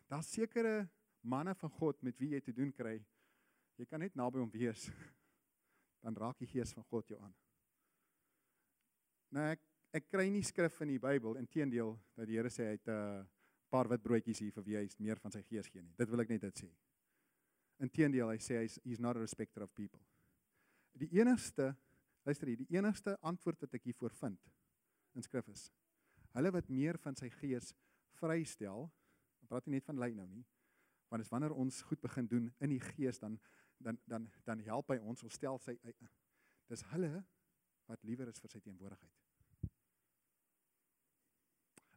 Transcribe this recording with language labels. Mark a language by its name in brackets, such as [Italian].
[Afrikaans] Daar sekere manne van God met wie jy te doen kry, jy kan net naby hom wees, dan raak die gees van God jou aan. Nou, ek kry nie skrif in die Bybel, inteendeel, dat die Here sê, hy het paar wit broodjies hier, vir wie hy meer van sy gees gee nie. Dit wil ek net dit sê. Inteendeel, hy sê, [English] he's not a respecter of people. [Afrikaans] Die enigste, luister hier, die enigste antwoord wat ek hiervoor vind, in skrif is, hulle wat meer van sy gees vrystel, ek praat nie net van lei nou nie, want is wanneer ons goed begin doen in die gees, dan help hy ons, ons stel sy, dis hulle, wat liewer is vir sy teenwoordigheid.